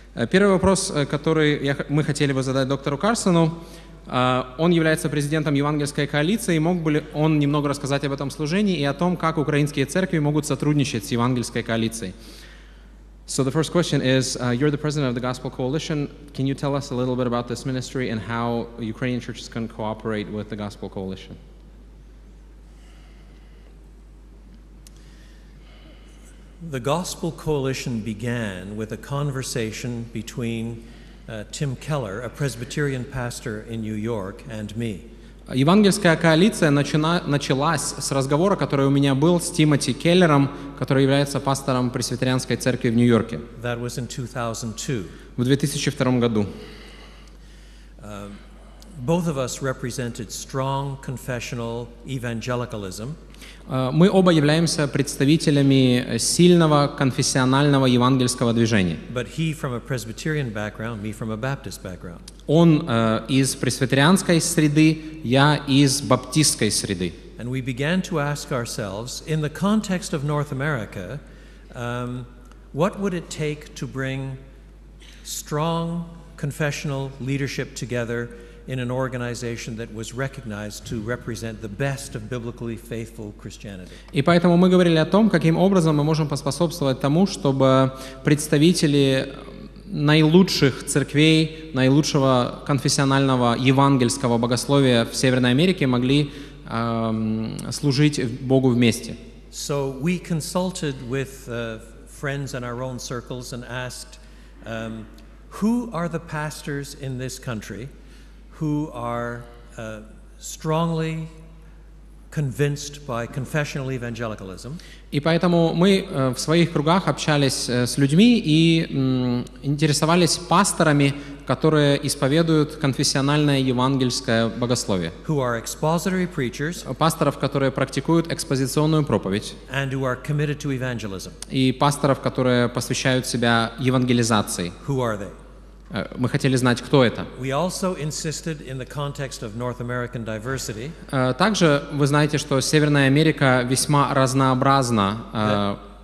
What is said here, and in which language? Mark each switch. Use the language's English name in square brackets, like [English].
[Russian] Первый вопрос, который мы хотели бы задать доктору Карсону, он является президентом Евангельской коалиции, и мог бы ли он немного рассказать об этом служении и о том, как украинские церкви могут сотрудничать с Евангельской коалицией. [English] So the first question is, you're the president of the Gospel Coalition. Can you tell us a little bit about this ministry and how Ukrainian churches can cooperate with the Gospel Coalition? The Gospel Coalition began with a conversation between Tim Keller, a Presbyterian pastor in New York, and me. [Russian] Евангельская коалиция началась с разговора, который у меня был с Тимоти Келлером, который является пастором Пресвитерианской церкви в Нью-Йорке. [English] That was in 2002. [Russian] В 2002 году. [English] Both of us represented strong confessional evangelicalism. [Russian] Мы оба являемся представителями сильного конфессионального евангельского движения. [English] But he from a Presbyterian background, me from a Baptist background. [Russian] Он из пресвитерианской среды, я из баптистской среды. [English] And we began to ask ourselves, in the context of North America, what would it take to bring strong confessional leadership together in an organization that was recognized to represent the best of biblically faithful Christianity. [Russian] И поэтому мы говорили о том, каким образом мы можем поспособствовать тому, чтобы представители наилучших церквей, наилучшего конфессионального евангельского богословия в Северной Америке могли служить Богу вместе. [English] So we consulted with friends in our own circles and asked, who are the pastors in this country who are strongly convinced by confessional evangelicalism. [Russian] И поэтому мы в своих кругах общались с людьми и интересовались пасторами, которые исповедуют конфессиональное евангельское богословие. [English] Who are expository preachers? [Russian] Пасторов, которые практикуют экспозиционную проповедь. [English] And who are committed to evangelism? [Russian] И пасторов, которые посвящают себя евангелизации. [English] Who are they? [Russian] Мы хотели знать, кто это. [English] We also insisted in the context of North American diversity, [Russian] также вы знаете, что Северная Америка весьма разнообразна.